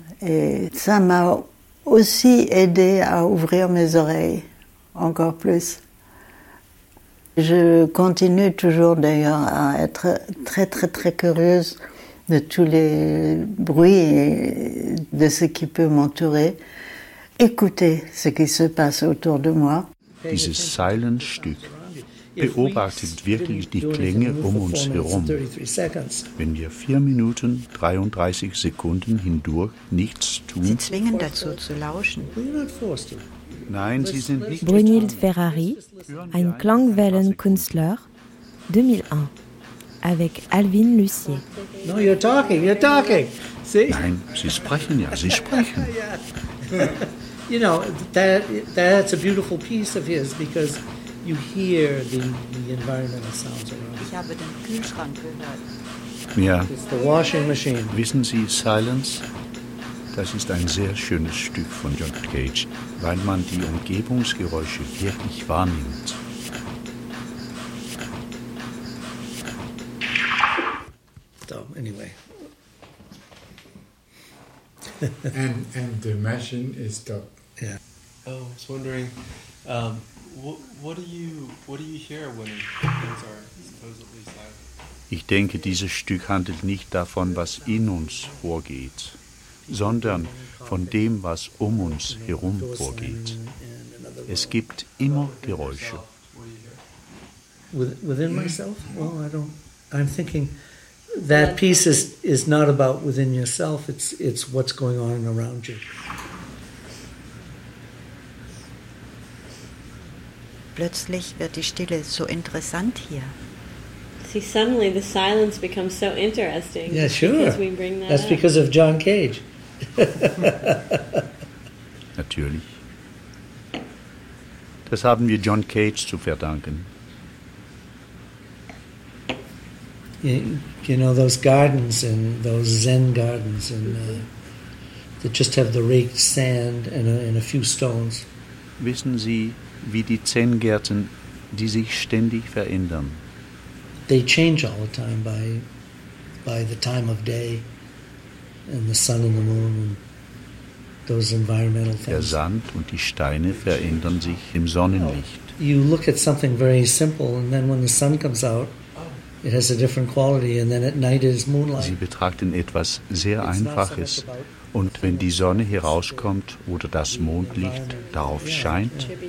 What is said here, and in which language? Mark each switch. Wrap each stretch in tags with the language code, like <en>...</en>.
<fr>Et ça m'a aussi aidé à ouvrir mes oreilles encore plus. Je continue toujours d'ailleurs à être très très très curieuse de tous les bruits et de ce qui peut m'entourer, écouter ce qui se passe autour de moi.</fr> <de>Dieses Silence-Stück beobachtet wirklich die Klänge um uns herum. Wenn wir 4 Minuten 33 Sekunden hindurch nichts tun. Sie zwingen dazu zu lauschen. Nein, sie sind nicht. Brunhild Ferrari, ein Klangwellenkünstler, 2001, avec Alvin Lucier.</de> <en>No, you're talking, you're talking. See?</en> <de>Nein, sie sprechen ja, sie sprechen.</de> <en>You know, that's a beautiful piece of his because you hear the environmental sounds around.</en> <de>Ich habe den Kühlschrank gehört. Ja.</de> <en>It's the washing machine.</en> <de>Wissen Sie, Silence, das ist ein sehr schönes Stück von John Cage, weil man die Umgebungsgeräusche wirklich wahrnimmt.</de> <en>So, anyway. and the machine is stopped. Yeah. Oh, I was wondering, what do you hear when things are supposedly silent?</en> <de>Ich denke, dieses Stück handelt nicht davon, was in uns vorgeht, sondern von dem, was um uns herum vorgeht. Es gibt immer Geräusche.</de> <en>Within myself? Well, I don't. I'm thinking that piece is not about within yourself. It's what's going on around you.</en> <de>Plötzlich wird die Stille so interessant hier.</de> <en>See, suddenly the silence becomes so interesting. Yeah, sure. Because we bring that That's up. Because of John Cage.</en> <de>Natürlich. Das haben wir John Cage zu verdanken.</de> <en>You know those gardens and those Zen gardens and that just have the raked sand and a few stones.</en> <de>Wissen Sie, wie die Zen-Gärten, die sich ständig verändern.</de> <en>They change all the time by the time of day and the sun and the moon and those environmental things.</en> <de>Der Sand und die Steine verändern sich im Sonnenlicht.</de> <en>You look at something very simple and then when the sun comes out, it has a different quality and then at night it is moonlight.</en> <de>Sie betrachten etwas sehr Einfaches. Und wenn die Sonne herauskommt oder das Mondlicht darauf scheint,</de>